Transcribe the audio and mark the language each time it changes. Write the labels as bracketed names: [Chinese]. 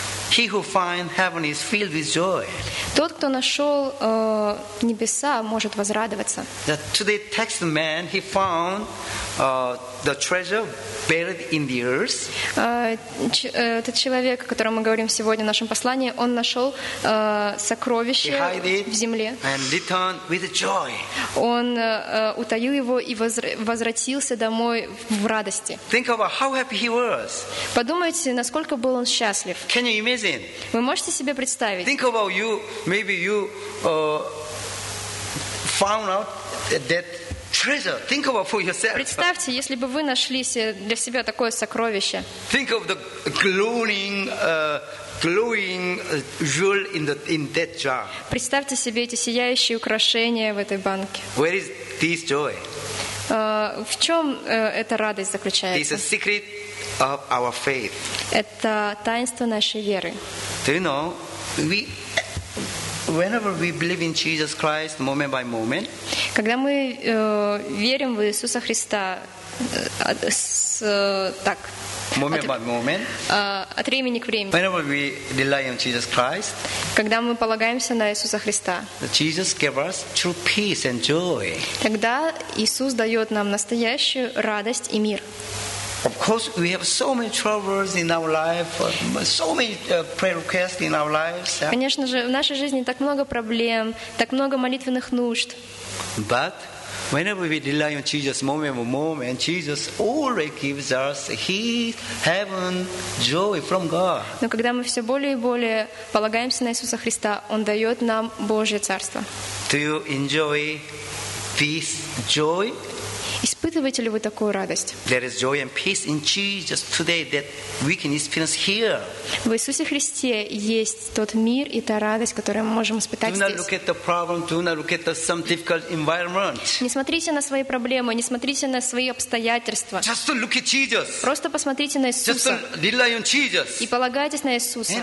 [English] He who finds heaven is filled with joy. [Russian] Тот, кто нашел небеса, может возрадоваться. [English] The today text man he found the treasure buried in the earth. [Russian] Этот человек, о котором мы говорим сегодня в нашем послании, он нашел сокровище в земле. [English] And returned with joy. [Russian] Он утаил его и возвратился домой в радости. [English] Think about how happy he was. [Russian] Подумайте, насколько был он счастлив. [English] Can you imagine? [Russian] Вы можете себе представить? [English] Think about you. Maybe you found out that treasure. Think about for yourself. [Russian] Представьте, если бы вы нашли для себя такое сокровище. [English] Think of the glowing jewel in that jar. [Russian] Представьте себе эти сияющие украшения в этой банке. [English] Where is this joy? [Russian] В чем эта радость заключается? [English] It's a secret of our faith. [Russian] Это таинство нашей веры. [English] Do you know, whenever we believe in Jesus Christ, moment by moment. [Russian] Когда мы верим в Иисуса Христа, так. [English] Moment by moment. [Russian] От времени к времени. [English] Whenever we rely on Jesus Christ. [Russian] Когда мы полагаемся на Иисуса Христа. [English] Jesus gives us true peace and joy. [Russian] Тогда Иисус дает нам настоящую радость и мир. [English] Of course, we have so many troubles in our life, so many prayer requests in our lives. [Russian] Конечно же, в нашей жизни так много проблем, так много молитвенных нужд. [English] But whenever we rely on Jesus, moment by moment, Jesus always gives us His heaven joy from God. [Russian] Но когда мы все более и более полагаемся на Иисуса Христа, Он дает нам Божье царство. [English] Do you enjoy peace, joy? [Russian] Испытываете ли вы такую радость? [English] There is joy and peace in Jesus today that we can experience here. [Russian] В Иисусе Христе есть тот мир и та радость, которую мы можем испытать здесь. [English] Do not look at the problem. Do not look at some difficult environment. [Russian] Не смотрите на свои проблемы, не смотрите на свои обстоятельства. [English] Just look at Jesus. [Russian] Просто посмотрите на Иисуса. [English] Just rely on Jesus. [Russian] И полагайтесь на Иисуса.